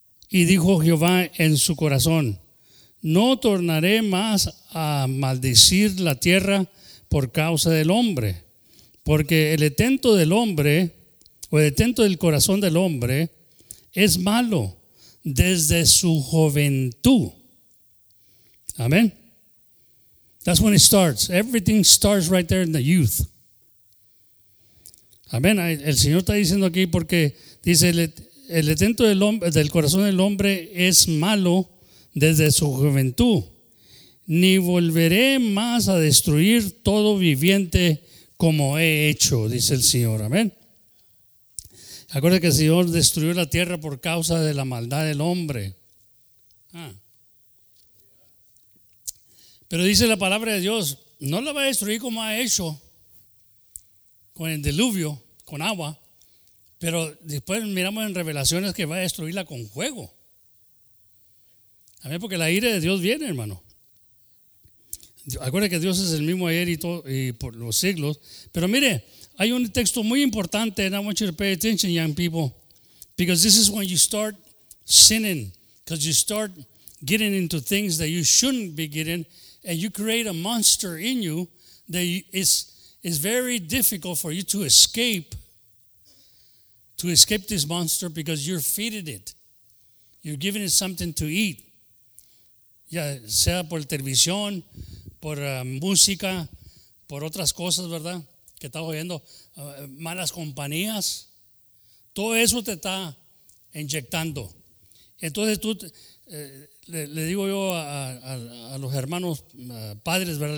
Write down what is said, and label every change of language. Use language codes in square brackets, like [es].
[es] y dijo Jehová en su corazón, no tornaré más a maldecir la tierra por causa del hombre, porque el intento del hombre, o el intento del corazón del hombre, es malo desde su juventud. Amén. [en] That's when it starts. Everything starts right there in the youth. [es] Amén. El Señor está diciendo aquí porque dice el intento del hombre, del corazón del hombre es malo desde su juventud. Ni volveré más a destruir todo viviente como he hecho, dice el Señor. Amén. Acuérdate que el Señor destruyó la tierra por causa de la maldad del hombre. Pero dice la palabra de Dios, no la va a destruir como ha hecho con el diluvio, con agua, pero después miramos en Revelaciones que va a destruirla con fuego. Amén, porque la ira de Dios viene, hermano. Acuérdate que Dios es el mismo ayer y por los siglos. Pero mire, hay un texto muy importante, [en] and I want you to pay attention, young people, because this is when you start sinning, because you start getting into things that you shouldn't be getting, and you create a monster in you that is very difficult for you to escape this monster because you're feeding it. You're giving it something to eat. [es] Ya sea por televisión, por música, por otras cosas, ¿verdad? Que estás oyendo, malas compañías. Todo eso te está inyectando. Entonces tú, le digo yo a los hermanos padres, ¿verdad?